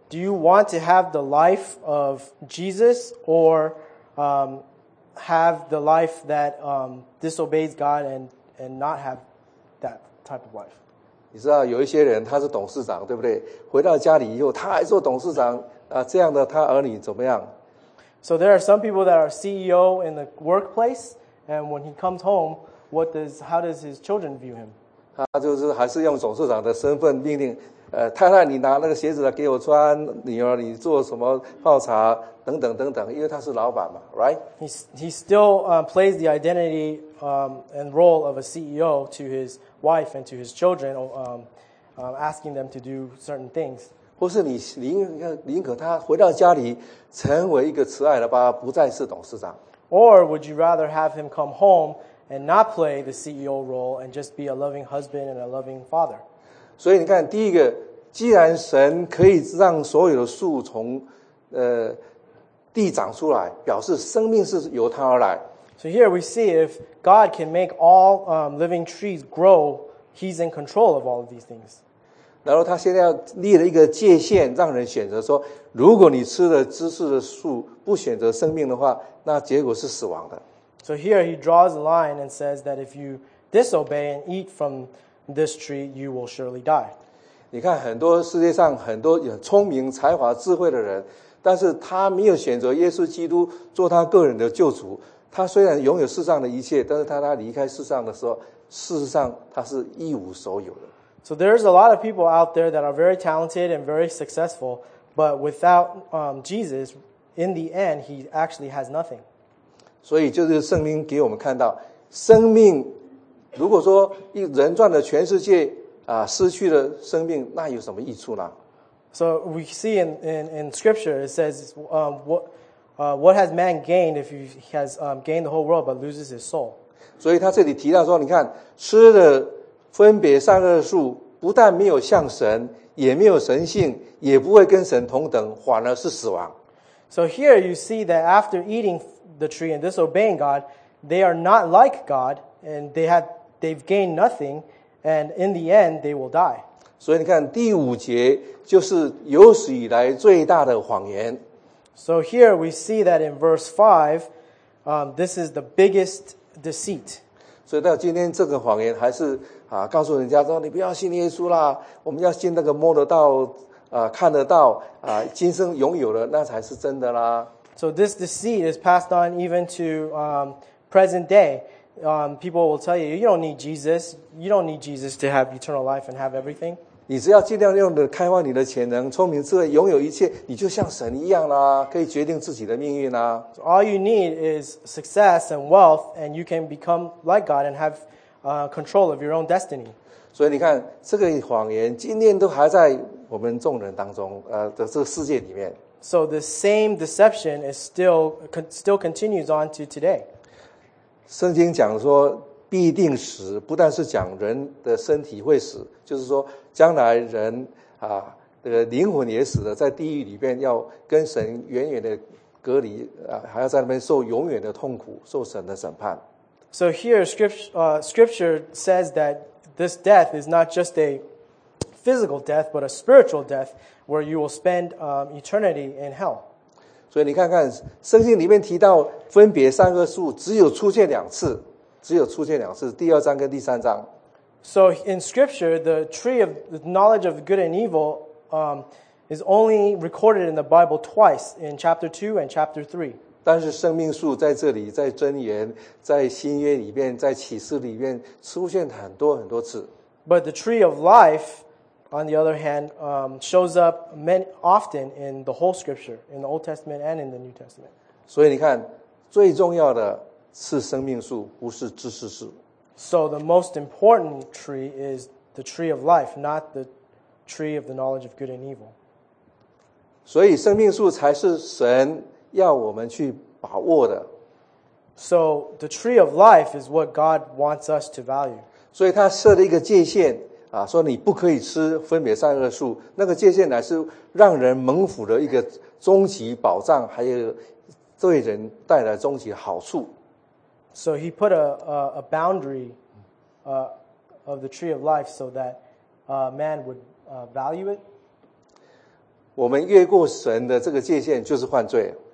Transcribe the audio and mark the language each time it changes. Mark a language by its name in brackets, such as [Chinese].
[English] Do you want to have the life of Jesus or have the life that disobeys God and not have that type of life? [Chinese] 你知道有一些人他是董事长，对不对？回到家里以后他还做董事长啊，这样的他儿女怎么样？ [English] So there are some people that are CEO in the workplace, and when he comes home, how does his children view him? [Chinese] 他就是还是用董事长的身份命令，太太你拿那个鞋子给我穿，女儿你做什么泡茶等等等等，因为他是老板嘛， [English] right? He still plays the identity and role of a CEO to his wife and to his children, asking them to do certain things. [Chinese] 或是你宁可他回到家里成为一个慈爱的爸爸，不再是董事长。 [English] Or would you rather have him come home and not play the CEO role and just be a loving husband and a loving father? [Chinese] 所以你看，第一个，既然神可以让所有的树从地长出来，表示生命是由他而来。 [English] So here we see if God can make all living trees grow, He's in control of all of these things. [Chinese] 然后他现在要立了一个界限，让人选择说，如果你吃了知识的树，不选择生命的话，那结果是死亡的。 [English] So here he draws a line and says that if you disobey and eat from this tree, you will surely die. [Chinese] 你看很多世界上很多有聪明、才华、智慧的人，但是他没有选择耶稣基督做他个人的救主。他虽然拥有世上的一切，但是他离开世上的时候，事实上他是一无所有的。 [English] So there's a lot of people out there that are very talented and very successful, but without Jesus, in the end, he actually has nothing. [Chinese] 所以就是圣经给我们看到，生命如果说一人赚了全世界啊，失去了生命，那有什么益处呢？ [English] So we see in scripture it says what has man gained if he has gained the whole world but loses his soul? [Chinese] 所以他这里提到说，你看吃的分别善恶树，不但没有像神，也没有神性，也不会跟神同等，反而是死亡。 [English] So here you see that after eating the tree and disobeying God, they are not like God and they've gained nothing and in the end they will die. [Chinese] 所以你看第五节就是有史以来最大的谎言。 [English] So here we see that in verse 5, this is the biggest deceit. [Chinese] 所以到今天这个谎言还是啊，告诉人家说你不要信耶稣啦，我们要信那个摸得到、看得到、今生拥有的，那才是真的啦。 [English] So this deceit is passed on even to present day. People will tell you don't need Jesus. You don't need Jesus to have eternal life and have everything. [Chinese] 你只要尽量用的开发你的潜能、聪明智慧，拥有一切，你就像神一样啦，可以决定自己的命运啦。 [English] So all you need is success and wealth, and you can become like God and have control of your own destiny. [Chinese] 所以你看，这个谎言今天都还在我们众人当中，的这个世界里面。 [English] So the same deception is still continues on to today. [Chinese] 圣经讲说必定死，不但是讲人的身体会死，就是说将来人啊，这个灵魂也死了，在地狱里面要跟神远远的隔离啊，还要在那边受永远的痛苦，受神的审判。 [English] So here, scripture says that this death is not just a physical death, but a spiritual death, where you will spend eternity in hell. [Chinese] 所以你看看圣经里面提到分别三个数，只有出现两次，只有出现两次，第二章跟第三章。 [English] So in scripture, the tree of the knowledge of good and evil is only recorded in the Bible twice, in chapter 2 and chapter 3. [Chinese] 但是生命树在这里，在箴言，在新约里面，在启示里面出现很多很多次。 [English] But the tree of life, on the other hand, shows up many often in the whole scripture, in the Old Testament and in the New Testament. [Chinese] 所以你看，最重要的是生命树，不是知识树。 [English] So the most important tree is the tree of life, not the tree of the knowledge of good and evil. [Chinese] 所以生命树才是神要我们去把握的。 [English] So the tree of life is what God wants us to value. [Chinese] 所以他设了一个界限啊，说你不可以吃分别善恶树。那个界限乃是让人蒙福的一个终极保障，还有对人带来终极好处。 [English] So he put a boundary, of the tree of life so that man would value it. [Chinese] 我们越过神的这个界限，就是犯罪。